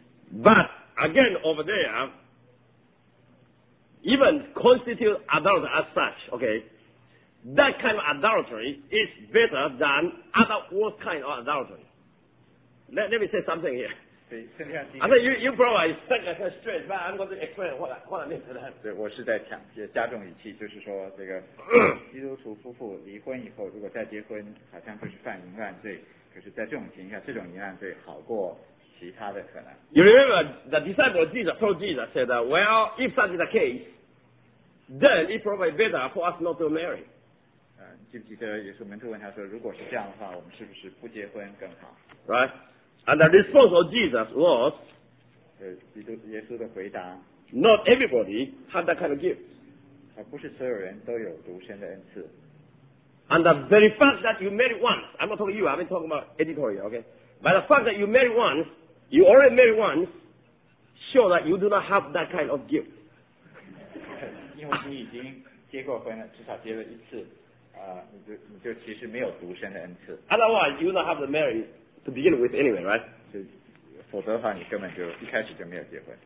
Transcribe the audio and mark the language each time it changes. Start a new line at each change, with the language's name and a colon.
English: But again, over there, even constitute adultery as such, okay, that kind of adultery is better than other worst kind of adultery. Let me say something here. I think you probably think I'm straight, but I'm going to explain what I mean to that.
Chinese: 对，我是在强加重语气，就是说这个基督徒夫妇离婚以后，如果再结婚，好像就是犯淫乱罪。可是，在这种情况下，这种淫乱罪好过其他的可能。
English: You remember the disciple Jesus told Jesus said, "Well, if such is the case, then it probably better for us not to marry."
Chinese: 记不记得耶稣门徒问他说，如果是这样的话，我们是不是不结婚更好
English: ？Right. And the response of Jesus was,
Chinese: 基督耶稣的回答
English: not everybody had that kind of gift.
Chinese: 不是所有人都有独身的恩赐。
English: And the very fact that you married once, I'm not talking you, I'm talking about editorial, okay? By the fact that you married once, you already married once, show that you do not have that kind of gift. Otherwise, you do not have the marriage to begin with anyway, right?
Chinese: 否则的话你根本就一开始就没有结婚。